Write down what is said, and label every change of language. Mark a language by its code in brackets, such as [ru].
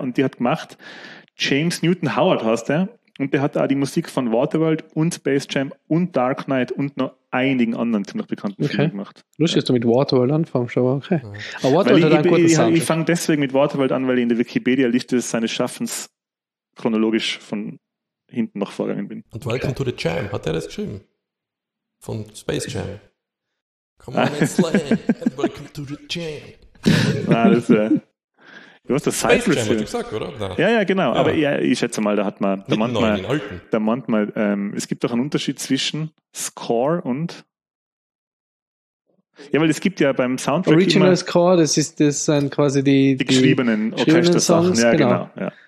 [de] Und die hat gemacht, James Newton Howard heißt er. Und der hat auch die Musik von Waterworld und Space Jam und Dark Knight und noch einigen anderen ziemlich bekannten Filmen gemacht. Lustig, dass du mit Waterworld anfängst, aber okay. Aber Waterworld hat einen guten Sound. Ich fange deswegen mit Waterworld an, weil ich in der Wikipedia-Liste seines Schaffens chronologisch von hinten nach vorgegangen bin. Und Welcome to the Jam, hat er das geschrieben? Von Space Jam. [en] Come on and slay, and welcome to the Jam. [de] Du hast das Cypress gesagt, oder? Ja, ja, genau. Ja. Aber ja, ich schätze mal, da hat man. Da meint man, es gibt doch einen Unterschied zwischen Score und. Ja, weil es gibt ja beim Soundtrack. Original immer Score, das sind quasi die. Die geschriebenen Orchester-Sachen. Ja, genau. Ja.